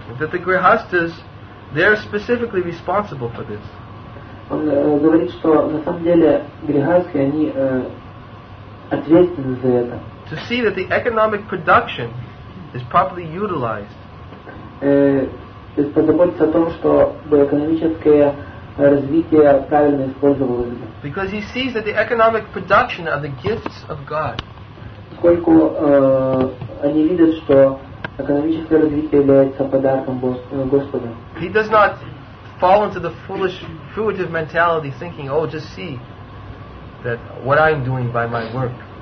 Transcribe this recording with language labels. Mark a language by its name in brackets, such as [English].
[English] That the grihasthas, they are specifically responsible for this. [Russian] Он говорит, что на самом деле грехасхи, они ответственны за это. [English] To see that the economic production is properly utilized. [Russian] То есть позаботиться о том, чтобы экономическое развитие правильно использовалось. [English] Because he sees that the economic production are the gifts of God. [Russian] Поскольку они видят, что экономическое развитие является подарком Господа. [English] He does not fall into the foolish, fruitive mentality, thinking, "Oh, just see that what I'm doing by my work."